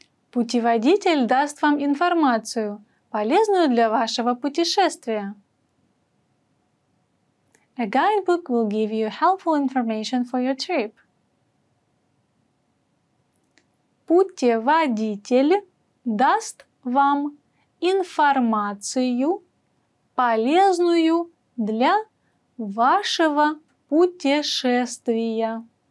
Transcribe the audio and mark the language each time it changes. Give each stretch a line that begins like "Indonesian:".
Russian: Путеводитель даст вам информацию, полезную для вашего путешествия.
English: A guidebook will give you helpful information for your trip.
Russian: Путеводитель даст вам информацию, полезную для вашего путешествия.